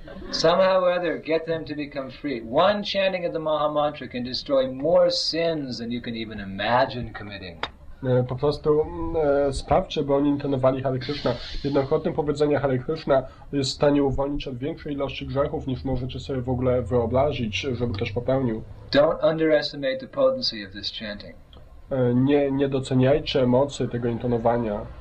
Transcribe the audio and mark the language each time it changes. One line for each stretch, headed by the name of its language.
English: Somehow or other, get them to become free. One chanting of the Maha Mantra can destroy more sins than you can even imagine committing.
Polish: Po prostu sprawdźcie, by oni intonowali Hare Krishna. Jednokrotne powiedzenie Hare Krishna jest w stanie uwolnić od większej ilości grzechów, niż możecie sobie w ogóle wyobrazić, żeby ktoś popełnił.
English: Don't underestimate the potency of this chanting.
Polish: Nie doceniajcie mocy tego intonowania.